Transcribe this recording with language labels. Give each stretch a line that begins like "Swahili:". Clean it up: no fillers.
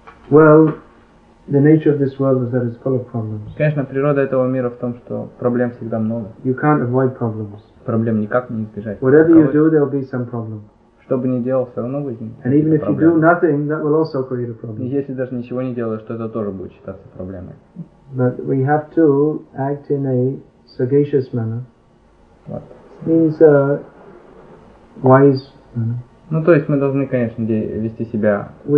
English: Well, the nature of this world is that it's full of problems.
Russian: Конечно, природа этого мира в том, что проблем всегда много.
English: You can't avoid problems.
Russian: Проблем никак не избежать.
English: Whatever you do, there'll be some problem.
Russian: Что бы ни делал, все равно будет.
English: And even if you do nothing, that will also create a problem.
Russian: Если даже ничего не делаешь, то это тоже будет считаться проблемой.
English: But we have to act in a sagacious manner. What? Means a wise manner.
Russian: Ну то есть мы должны, конечно, вести себя